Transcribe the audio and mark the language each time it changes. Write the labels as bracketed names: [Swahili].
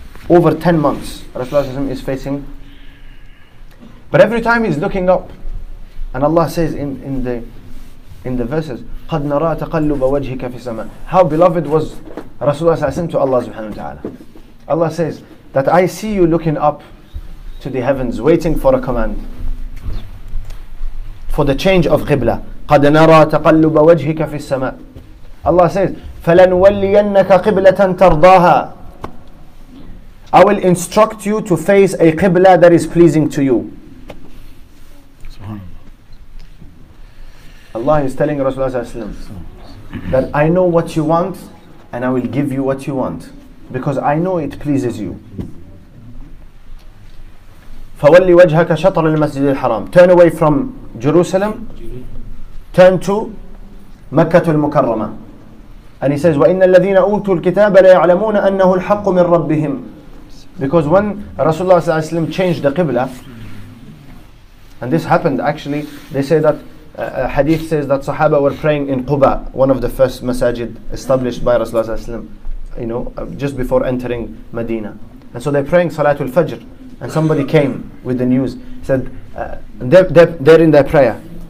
[English] Over 10 months, Rasulullah is facing. But every time he's looking up, and Allah says in the verses, [Arabic] قَدْ نَرَى تَقَلُّبَ وَجْهِكَ فِي السَّمَاءِ. [English] How beloved was Rasulullah to Allah subhanahu wa ta'ala. Allah says that I see you looking up to the heavens, waiting for a command, for the change of Qibla. [Arabic] قَدْ نَرَى تَقَلُّبَ وَجْهِكَ فِي السَّمَاءِ. [English] Allah says, [Arabic] فَلَنْوَلِّيَنَّكَ قِبْلَةً تَرْضَاهَا. [English] I will instruct you to face a Qibla that is pleasing to you. Allah is telling Rasulullah that I know what you want and I will give you what you want because I know it pleases you. [Arabic] فَوَلِّ وَجْهَكَ شَطْرَ الْمَسْجِدِ الْحَرَامِ. [English] Turn away from Jerusalem, turn to Makkah al-Mukarramah. And he says, [Arabic] وَإِنَّ الَّذِينَ أُوتُوا الْكِتَابَ لَيَعْلَمُونَ أَنَّهُ الْحَقُّ مِنْ رَبِّهِمْ. [English] Because when Rasulullah changed the Qibla, and this happened actually, they say that a hadith says that Sahaba were praying in Quba, one of the first masajid established by Rasulullah, you know, just before entering Medina. And so they're praying Salatul Fajr, and somebody came with the news, said, they're in their prayer.